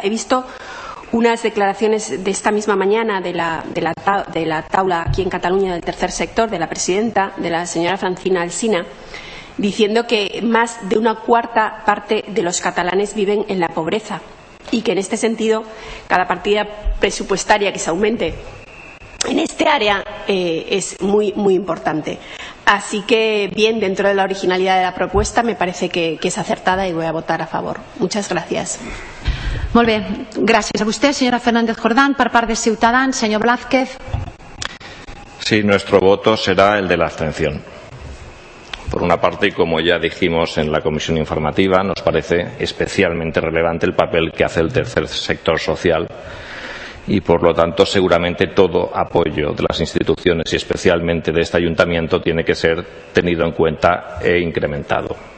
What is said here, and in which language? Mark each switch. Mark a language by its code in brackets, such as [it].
[es] He visto unas declaraciones de esta misma mañana de la taula aquí en Cataluña del tercer sector, de la presidenta, de la señora Francina Alsina, diciendo que más de una cuarta parte de los catalanes viven en la pobreza y que en este sentido cada partida presupuestaria que se aumente en este área es muy, muy importante. Así que bien, dentro de la originalidad de la propuesta me parece que es acertada y voy a votar a favor. Muchas gracias. [ca] Molt bé, gràcies a vostè, senyora Fernández Jordán. Per part de Ciutadans, senyor Blázquez. [es] Sí, nuestro voto será el de la abstención. Por una parte, y como ya dijimos en la comisión informativa, nos parece especialmente relevante el papel que hace el tercer sector social y, por lo tanto, seguramente todo apoyo de las instituciones y especialmente de este ayuntamiento tiene que ser tenido en cuenta e incrementado.